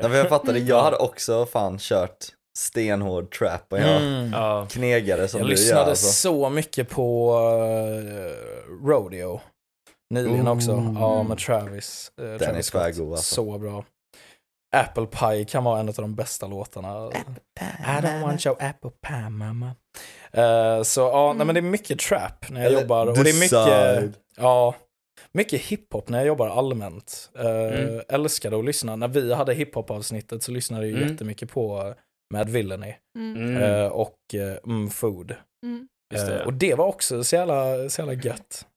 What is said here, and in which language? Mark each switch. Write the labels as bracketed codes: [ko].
[sv] Nej, men jag fattar det, jag hade också fan kört stenhård trap och jag knegade som jag du gör. Jag lyssnade alltså så mycket på Rodeo nyligen också, ja, med Travis. Den Travis är svär god alltså. Så bra. Apple Pie kan vara en av de bästa låtarna. Apple Pie, [en] I don't want your apple pie, mamma. [sv] Så ja, nej, men det är mycket trap när jag jobbar. Och det är mycket, mycket hiphop när jag jobbar allmänt. Älskade att lyssna. När vi hade hiphop-avsnittet så lyssnade jag jättemycket på Mad Villainy. Och Food. Och det var också så jävla gött.